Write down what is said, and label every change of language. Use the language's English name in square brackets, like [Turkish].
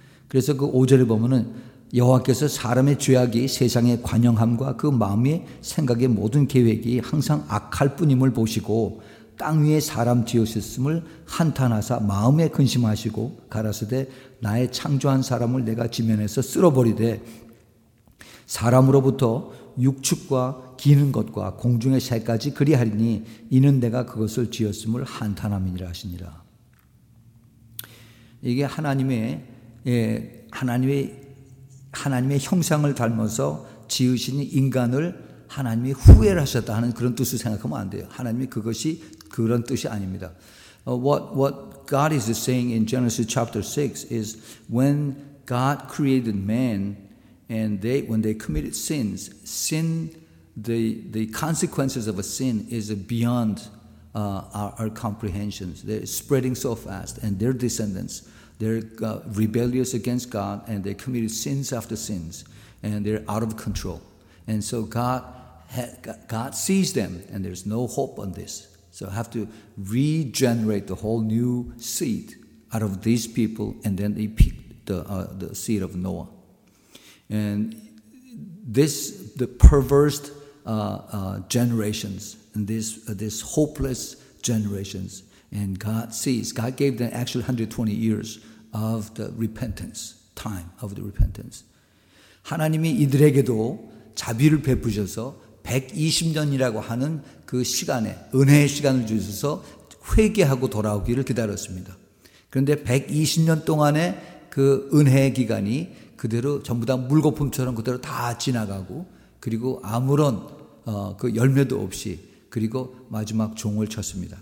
[Korean] 그래서 그 5절을 보면은 여호와께서 사람의 죄악이 세상의 관영함과 그 마음의 생각의 모든 계획이 항상 악할 뿐임을 보시고 땅 위에 사람 지으셨음을 한탄하사 마음에 근심하시고 가라사대 나의 창조한 사람을 내가 지면에서 쓸어버리되 사람으로부터 육축과 기는 것과 공중의 새까지 그리하리니 이는 내가 그것을 지었음을 한탄함이니라 하시니라. 이게 하나님의 형상을 닮아서 지으신 인간을 하나님이 후회를 하셨다 하는 그런 뜻을 생각하면 안 돼요. 하나님이 그것이 그런 뜻이 아닙니다. [English] What God is saying in Genesis chapter 6 is when God created man and when they committed sins, the consequences of a sin is beyond our comprehension. They're spreading so fast, and their descendants, they're rebellious against God, and they committed sins after sins, and they're out of control. And so God God sees them, and there's no hope on this. So I have to regenerate the whole new seed out of these people, and then they pick the seed of Noah. And this, the perverse generations, and this hopeless generations, and God sees. God gave them actually 120 years of the repentance, time of the repentance. [Korean] 하나님이 이들에게도 자비를 베푸셔서 120년이라고 하는 그 시간에 은혜의 시간을 주셔서 회개하고 돌아오기를 기다렸습니다. 그런데 120년 동안의 그 은혜의 기간이 그대로 전부 다 물거품처럼 그대로 다 지나가고 그리고 아무런 그 열매도 없이 그리고 마지막 종을 쳤습니다.